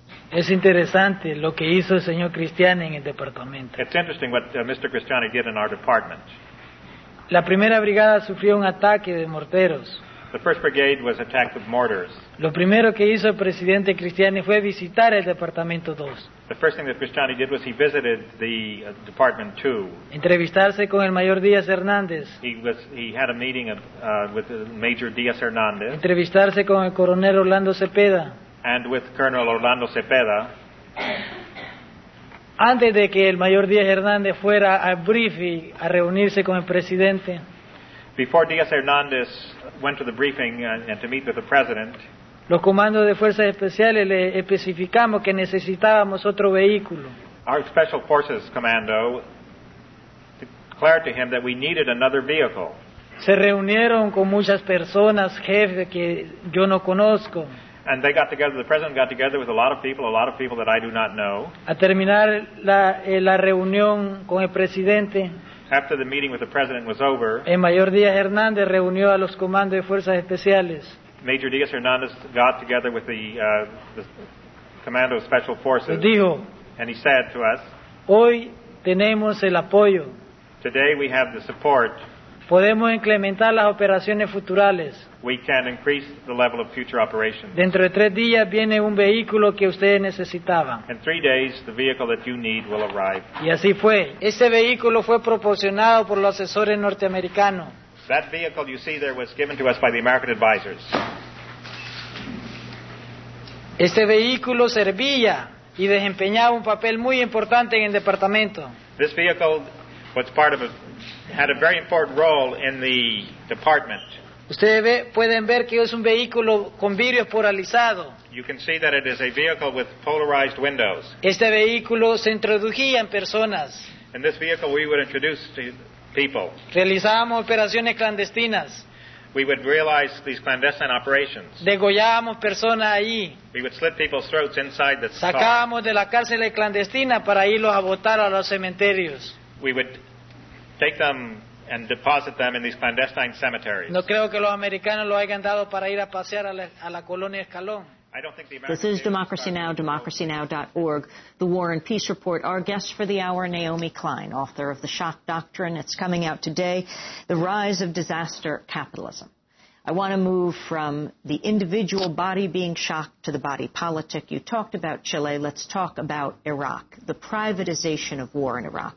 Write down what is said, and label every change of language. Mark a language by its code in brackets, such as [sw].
[es] Es interesante lo que hizo el señor Cristiani en el departamento. [en] It's interesting what Mr. Cristiani did in our department. [es] La primera brigada sufrió un ataque de morteros. [en] The first brigade was attacked with mortars. [es] Lo primero que hizo el presidente Cristiani fue visitar el departamento 2. [en] The first thing that Cristiani did was he visited the department 2. [es] Entrevistarse con el mayor Díaz Hernández. [en] He had a meeting with Major Díaz Hernández. [es] Entrevistarse con el coronel Orlando Cepeda. [en] And with Colonel Orlando Cepeda. [es] Antes de que el mayor Díaz Hernández fuera a briefing, a reunirse con el presidente. [en] Before Díaz Hernández went to the briefing and to meet with the president. [es] Los comandos de fuerzas especiales le especificamos que necesitábamos otro vehículo. [en] Our special forces commando declared to him that we needed another vehicle. [es] Se reunieron con muchas personas, jefes que yo no conozco. [en] And they got together, the president got together with a lot of people that I do not know. [es] A terminar la reunión con el presidente. [en] After the meeting with the president was over, [es] el mayor Díaz Hernández reunió a los comandos de fuerzas especiales. [en] Major Díaz Hernández got together with the commando of special forces. [es] Dijo, [en] and he said to us, [es] hoy tenemos el apoyo. [en] Today we have the support. [es] Podemos incrementar las operaciones futurales. [en] We can increase the level of future operations. [es] Dentro de tres días viene un vehículo que ustedes necesitaban. [en] In 3 days, the vehicle that you need will arrive. [es] Y así fue. Ese vehículo fue proporcionado por los asesores norteamericanos. [en] That vehicle you see there was given to us by the American advisors. [es] Este vehículo servía y desempeñaba un papel muy importante en el departamento. [en] This vehicle was part of had a very important role in the department. [es] Ustedes pueden ver que es un vehículo con vidrio polarizado. [en] You can see that it is a vehicle with polarized windows. [es] Este vehículo se introducía en personas. [en] In this vehicle we would introduce to people. [es] Realizábamos operaciones clandestinas. [en] We would realize these clandestine operations. [es] Degollábamos personas ahí. [en] We would slit people's throats inside the car. [es] Sacábamos de la cárcel clandestina para irlos a botar a los cementerios. [en] We would take them and deposit them in these clandestine cemeteries. [es] No creo que los americanos lo hayan dado para ir a pasear a la colonia Escalón. [en] This is Democracy Now!, democracynow.org, the War and Peace Report. Our guest for the hour, Naomi Klein, author of The Shock Doctrine. It's coming out today, The Rise of Disaster Capitalism. I want to move from the individual body being shocked to the body politic. You talked about Chile. Let's talk about Iraq, the privatization of war in Iraq.